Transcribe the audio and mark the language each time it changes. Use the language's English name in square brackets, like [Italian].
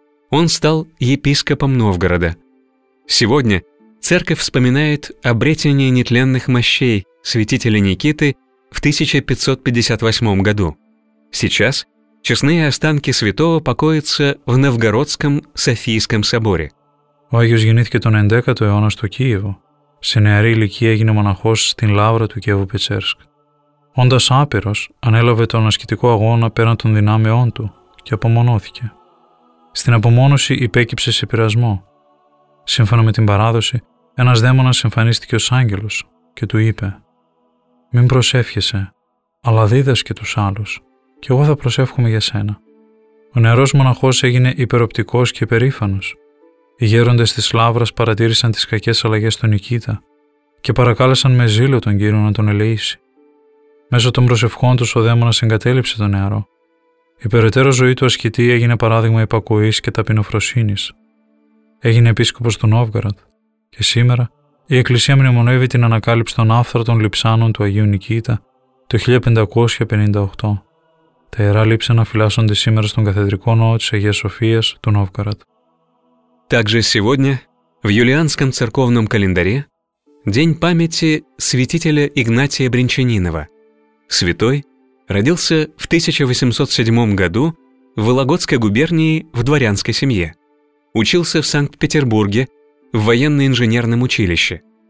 [Russian] Он стал епископом Новгорода. Сегодня церковь вспоминает обретение нетленных мощей святителя Никиты в 1558 году. Сейчас честные останки святого покоятся в Новгородском Софийском соборе. [Greek] Ο Άγιος γεννήθηκε τον 11ο αιώνα στο Κίεβο. Σε νεαρή ηλικία έγινε μοναχός στην Λαύρα του Κιέβου Πετσέρσκ. Όντας άπειρος, ανέλαβε τον ασκητικό αγώνα πέραν των δυνάμεών του και απομονώθηκε. Στην απομόνωση υπέκυψε σε πειρασμό. Σύμφωνα με την παράδοση, ένας δαίμονας εμφανίστηκε ως άγγελος και του είπε: «Μην προσεύχεσαι, αλλά δίδασκε τους άλλους, και εγώ θα προσεύχομαι για σένα». Ο νεαρός μοναχός έγινε υπεροπτικός και περήφανος. Οι γέροντες της Λαύρας παρατήρησαν τις κακές αλλαγές του Νικήτα και παρακάλεσαν με ζήλο τον Κύριο να τον ελεήσει. Μέσω των προσευχών τους ο δαίμονας εγκατέλειψε τον νεαρό. Η περαιτέρω ζωή του ασκητή έγινε παράδειγμα υπακοής και ταπεινοφροσύνης. Έγινε επίσκοπος του Νόβγαρατ και σήμερα η Εκκλησία μνημονεύει την ανακάλυψη των άφθαρτων λειψάνων του Αγίου Νικήτα το 1558. Τα ιερά λείψανα φυλάσσονται σήμερα στον καθεδρικό ναό της Αγίας Σοφίας του Νόβγαρατ. [Russian] Также сегодня в юлианском церковном календаре день памяти святителя Игнатия Брянчанинова. Святой родился в 1807 году в Вологодской губернии в дворянской семье. Учился в Санкт-Петербурге в военно-инженерном училище.